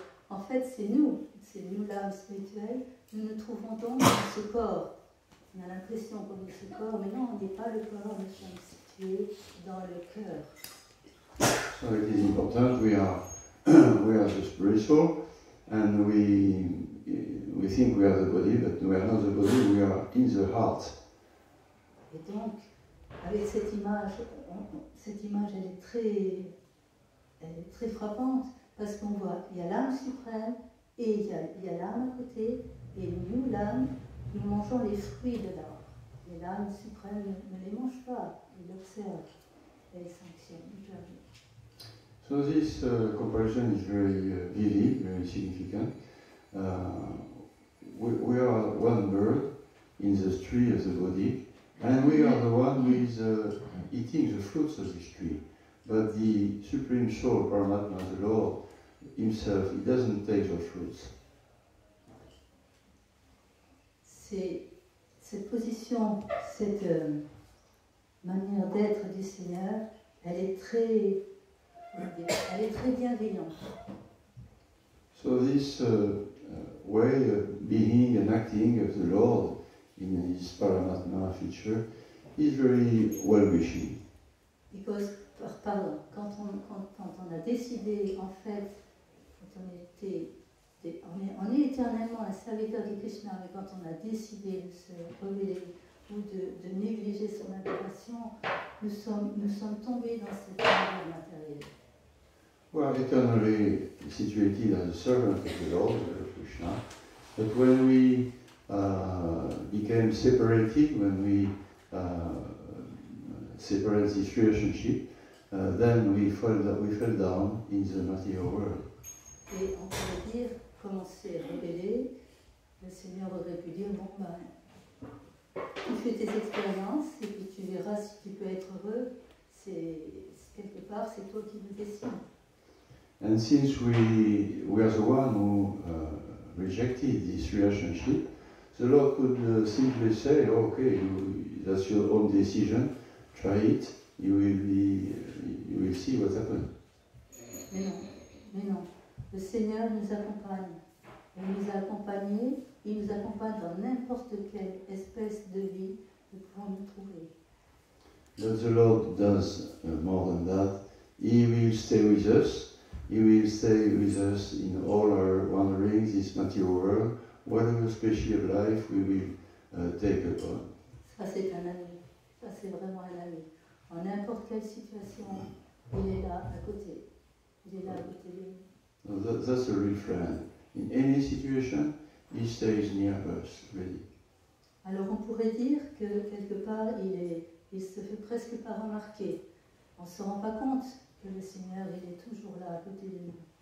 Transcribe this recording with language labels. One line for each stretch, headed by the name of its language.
French: En fait, c'est nous l'âme spirituelle, nous nous trouvons donc dans ce corps. On a l'impression qu'on est ce corps, mais non, on n'est pas le corps, nous sommes situés dans le cœur.
English: So it is important, we are the spirit soul, and we think we are the body, but we are not the body, we are in the heart.
French: Et donc, avec cette image, elle est très frappante. Parce qu'on voit, il y a l'âme suprême et il y a l'âme à côté, et nous, l'âme, nous mangeons les fruits de l'arbre. Et l'âme suprême ne les mange pas, elle observe, elle sanctionne.
English: So this comparison is very vivid, very significant. We are one bird in the tree of the body, and we are the one who is eating the fruits of this tree. But the supreme soul, Paramatma, the Lord, himself, he doesn't take those fruits.
French: Cette position, cette manière d'être du Seigneur, elle est très bienveillante.
English: So this way of being and acting of the Lord in his Paramatma feature, is very well wishing.
French: Because, pardon, quand on a décidé en fait, quand on était on est éternellement un serviteur de Krishna, mais quand on a décidé de se rebeller ou de négliger son adoration, nous sommes tombés dans cet état matériel.
English: We are eternally situated as a servant of the Lord, Krishna. But when we became separated, when we separated this relationship, then we fell down in the material world.
French: Et on pourrait dire, comme on s'est rebellé, le Seigneur aurait pu dire, bon ben, tu fais tes expériences et puis tu verras si tu peux être heureux. C'est quelque part, c'est toi qui le décides.
English: And since we are the one who rejected this relationship, the Lord could simply say, "Okay, that's your own decision. Try it. You will see what happens."
French: Mais non. Le Seigneur nous accompagne. Il nous a accompagnés. Il nous accompagne dans n'importe quelle espèce de vie nous pouvons nous trouver.
English: But the Lord does more than that. He will stay with us. He will stay with us in all our wanderings, this material world, whatever species of life we will take upon.
French: Ça c'est un ami. Ça c'est vraiment un ami. En n'importe quelle situation, il est là à côté. Il est là à côté de nous.
English: That's a real friend. In any situation, he stays near us, really.
French: Alors on pourrait dire que quelque part il se fait presque pas remarquer. On ne se rend pas compte. Que le Seigneur il est toujours là à côté de nous.